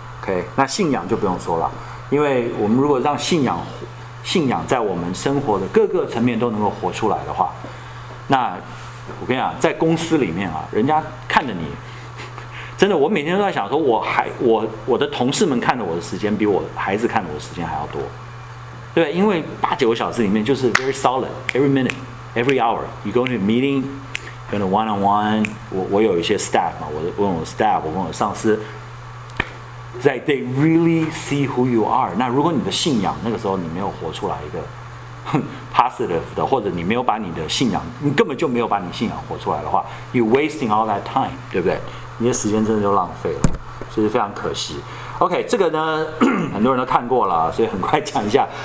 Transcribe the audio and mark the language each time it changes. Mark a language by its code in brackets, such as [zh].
[zh] OK， 那信仰就不用说了，因为我们如果让信仰在我们生活的各个层面都能够活出来的话，那我跟你讲，在公司里面啊，人家看着你，真的，我每天都在想说，我的同事们看着我的时间比我孩子看着我的时间还要多，对，因为八九个小时里面就是 [en] very solid， every minute， every hour， you go to a meeting， go to one on one， [zh] 我有一些 staff 嘛，我问 staff， 我问我上司。 [en] That they really see who you are. [zh] 那如果你的信仰那个时候你没有活出来一个 positive 的，或者你没有把你的信仰，你根本就没有把你信仰活出来的话， [en] you're wasting all that time， [zh] 对不对？你的时间真的就浪费了，所以非常可惜。OK， 这个呢，很多人都看过了，所以很快讲一下。